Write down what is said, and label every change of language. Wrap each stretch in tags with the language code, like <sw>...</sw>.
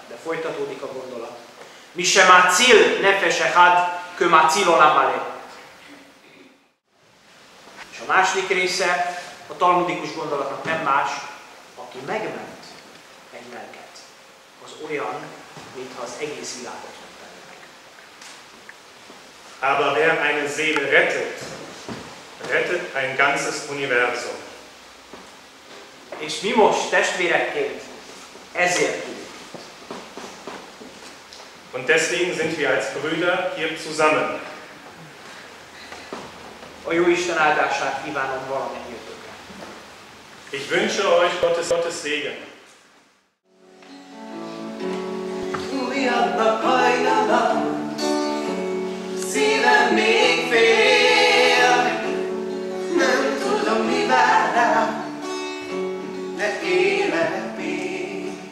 <hu>De folytatódik a gondolat.</hu> <he>Mishe macil nefeshe had, kön macil olam alé.</he> <hu>És a második része a talmudikus gondolatnak nem más, aki megment egy lelket, az olyan, mintha az egész világot mentenek.</hu> <de>Aber wer eine Seele rettet, rettet ein ganzes Universum.</de> <hu>És mi most testvérekként ezért tudunk.</hu> <de>Und deswegen sind wir als Brüder hier zusammen.</de> <hu>A Jóisten áldását kívánom valamennyiőtökre.</hu> <de>Ich wünsche euch Gottes Segen.</de> <hu>Újabbak hajnalak, szívem még fél. Nem tudom, mi vár rám, de élek még.</hu>